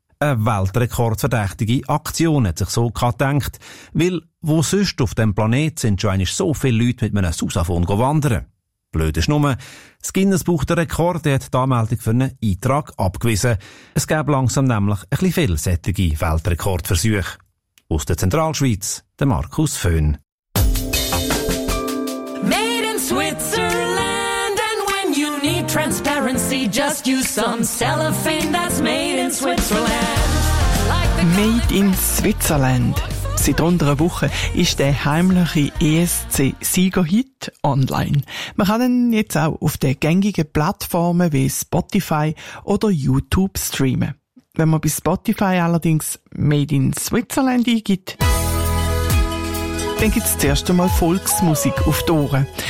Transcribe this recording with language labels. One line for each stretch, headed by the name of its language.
German: Eine weltrekordverdächtige Aktion hat sich so gedacht, weil wo sonst auf dem Planet sind schon einmal so viele Leute mit einem Sousaphon wandern. Blöd ist nur, das Guinness-Buch der Rekorde hat die Anmeldung für einen Eintrag abgewiesen. Es gäbe langsam nämlich ein bisschen viel sättige Weltrekordversuche. Aus der Zentralschweiz, der Markus Föhn.
English: Made in Switzerland, and when you need transparency, just use some cellophane that's made in Switzerland. Like made in Switzerland.
German: Seit rund einer Woche ist der heimliche ESC-Sieger-Hit online. Man kann ihn jetzt auch auf den gängigen Plattformen wie Spotify oder YouTube streamen. Wenn man bei Spotify allerdings «Made in Switzerland» eingibt, dann gibt es zuerst einmal Volksmusik auf die Ohren.